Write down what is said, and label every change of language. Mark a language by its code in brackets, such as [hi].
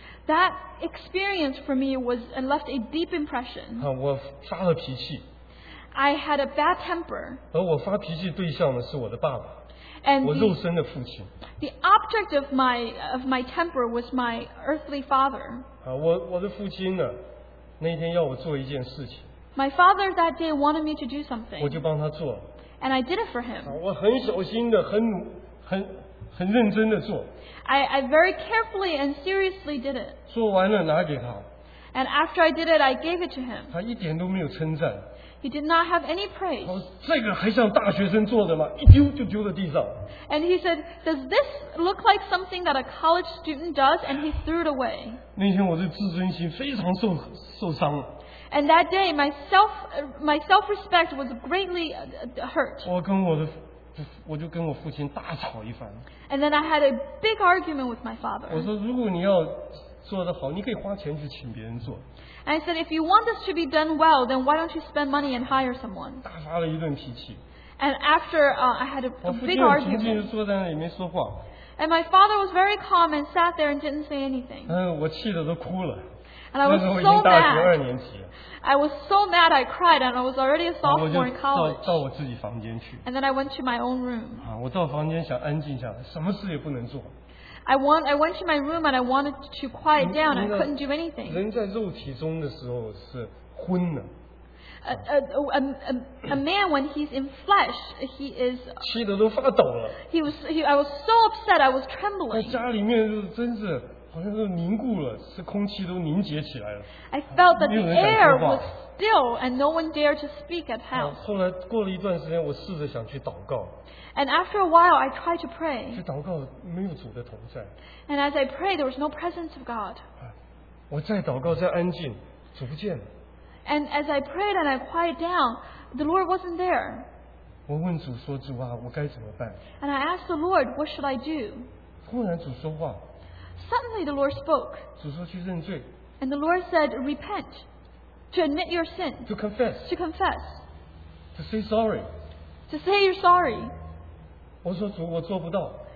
[en] That experience for me was and left a deep impression. [zh] 我发了脾气。 [en] I had a bad temper. [zh] 而我发脾气对象呢是我的爸爸。 [en] And the object of my temper was my earthly father. [zh] 我的父亲呢，那天要我做一件事情。 [en] My father that day wanted me to do something. [zh] 我就帮他做。 [en] And I did it for him. [zh] 我很小心的，很认真的做。 [en] I very carefully and seriously did it. [zh] 做完了拿给他。 [en] And after I did it, I gave it to him. [zh] 他一点都没有称赞。 [en] He did not have any praise. [zh] 这个还像大学生做的吗? 一丢就丢在地上。 [en] And he said, "Does this look like something that a college student does?" And he threw it away. [zh] 那天我的自尊心非常受伤了。 [en] And that day, my self-respect was greatly hurt. [zh] 我就跟我父亲大吵一番。 [en] And then I had a big argument with my father. [zh] 我说如果你要做得好，你可以花钱去请别人做。 [en] And I said, if you want this to be done well, then why don't you spend money and hire someone? [zh] 大发了一顿脾气。 [en] And after I had a big argument. [zh] 我父亲坐在那里没说话。 [en] And my father was very calm and sat there and didn't say anything. [zh] 我气得都哭了。 [en] And I was so mad. I was so mad I cried and I was already a sophomore in college. [zh] 到我自己房间去。 [en] And then I went to my own room. [zh] 我到房间想安静下来，什么事也不能做。 [en] I went to my room and I wanted to quiet down. I couldn't do anything. [zh] 人在肉体中的时候是昏的。 [en] A man when he's in flesh, he is. [zh] 气得都发抖了。 [en] I was so upset. I was trembling. [zh] 在家里面就真是。好像都凝固了，是空气都凝结起来了。 [en] I felt that the air was still, and no one dared to speak at home. [zh] 后来过了一段时间，我试着想去祷告。 [en] And after a while, I tried to pray. [zh] 去祷告没有主的同在。 [en] And as I prayed, there was no presence of God. [zh] 我再祷告，再安静，主不见了。 [en] And as I prayed and I quieted down, the Lord wasn't there. [zh] 我问主说：“主啊，我该怎么办？” [en] And I asked the Lord, "What should I do?" [zh] 突然主说话。 [en] Suddenly the Lord spoke. [zh] 主说去认罪。 [en] And the Lord said, repent. To admit your sin. To confess. To confess. To say sorry. To say you're sorry. [zh] 我说主我做不到。